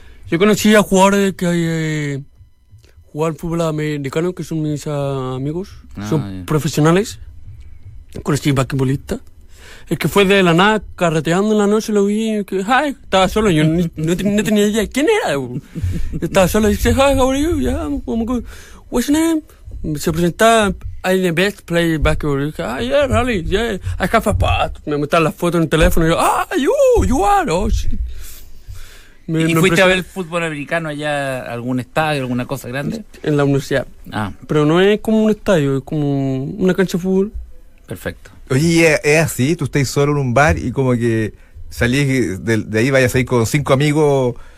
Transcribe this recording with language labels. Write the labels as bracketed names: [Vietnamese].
[Spanish] Yo conocí a jugadores que jugaban fútbol americano, que son mis amigos. Profesionales. Conocí a basquetbolistas. Es que fue de la nada, carreteando en la noche, lo vi, que, ay, estaba solo, yo no tenía idea quién era. Yo estaba solo, y dice, ay, [English] how are you? Yeah, what's your name? [Spanish] Se presentaba, [English] I'm the best player in basketball. Y dije, ah, yeah, really, yeah. I have a part. [Spanish] Me mostraron las fotos en el teléfono, y yo, ah, [English] you are, oh, shit. [Spanish] ¿Fuiste a ver el fútbol americano allá, algún estadio, alguna cosa grande? En la universidad. Ah. Pero no es como un estadio, es como una cancha de fútbol. Perfecto. Oye, ¿es así? ¿Tú estás solo en un bar y como que salís de ahí, vayas a ir con cinco amigos?